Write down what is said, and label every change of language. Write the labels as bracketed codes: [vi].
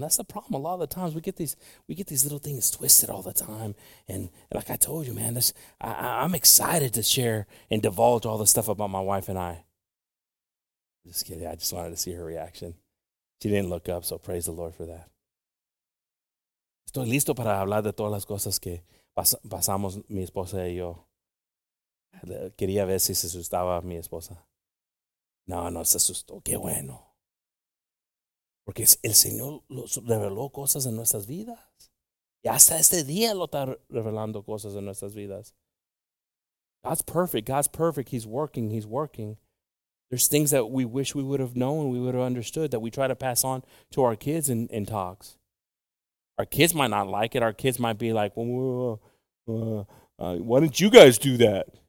[en] That's the problem. A lot of the times we get these little things twisted all the time. And like I told you, man, I'm excited to share and divulge all the stuff about my wife and I. Just kidding. I just wanted to see her reaction. She didn't look up, so praise the Lord for that. [es] Estoy listo para hablar de todas las cosas que pasamos mi esposa y yo. Quería ver si se asustaba mi esposa. No se asustó. Qué bueno. Porque el Señor reveló cosas en nuestras vidas. Y hasta este día lo está revelando cosas en nuestras vidas. [en] God's perfect. He's working. There's things that we wish we would have known, we would have understood, that we try to pass on to our kids in talks. Our kids might not like it. Our kids might be like, why didn't you guys do that?